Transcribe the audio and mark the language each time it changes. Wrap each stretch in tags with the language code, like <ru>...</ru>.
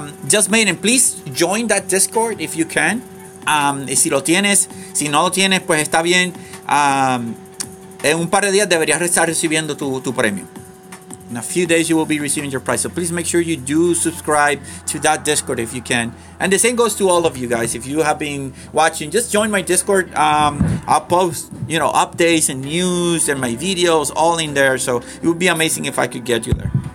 <en>Just Maiden, please join that Discord if you can.</en> <es>Y si lo tienes, si no lo tienes, pues está bien. En un par de días deberías estar recibiendo tu premio.</es> <en>In a few days you will be receiving your prize. So please make sure you do subscribe to that Discord if you can. And the same goes to all of you guys. If you have been watching, just join my Discord. I'll post, you know, updates and news and my videos all in there. So it would be amazing if I could get you there.</en>